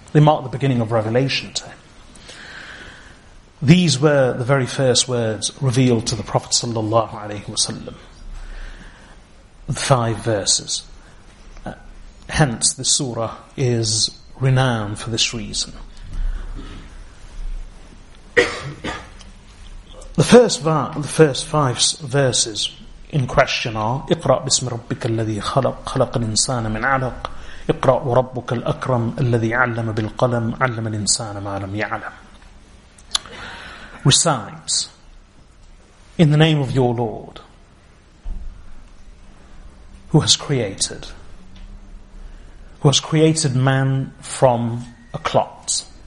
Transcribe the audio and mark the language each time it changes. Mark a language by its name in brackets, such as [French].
[English] They mark the beginning of revelation to him. These were the very first words revealed to the Prophet sallallahu alaihi wasallam. The five verses. Hence, this surah is renowned for this reason. The first five verses in question are: [Arabic] اقرأ بسم ربك الذي خلق خلق الإنسان من علق اقرأ وربك الأكرم الذي علم بالقلم علم الإنسان ما لم يعلم. [English] Recite in the name of your Lord, who has created man from a clot.